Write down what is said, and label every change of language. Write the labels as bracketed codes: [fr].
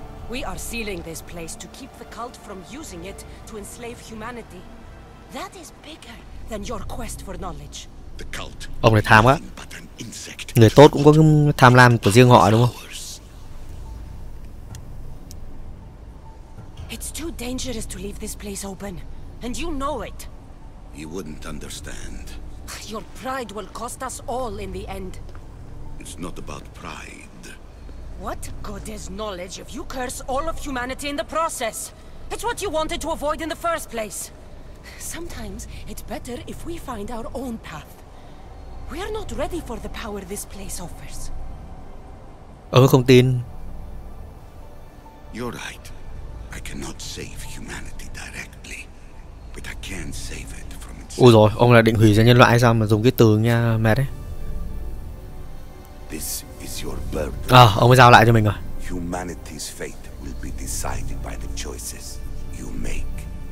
[en] We are sealing this place to keep the cult from using it to enslave humanity. That is bigger than your quest for knowledge. The cult. [vi] Ông này tham quá. Người tốt cũng có cái tham lam của riêng họ đúng không? [en] It's too dangerous to leave this place open, and you know it. You wouldn't understand. Your pride will cost us all in the end. It's not about pride. What good is knowledge if you curse all of humanity in the process? It's what you wanted to avoid in the first place. Sometimes it's better if we find our own path. We are not ready for the power this place offers. [vi] Không tin. [en] You're right. I cannot save humanity directly, but I can save it from itself. [vi] Ôi rồi, ông là định hủy diệt nhân loại sao mà dùng cái từ nha mệt đấy. [en] This. [vi] Ông ấy giao lại cho mình rồi. [en] Humanity's fate will be decided by the choices you make.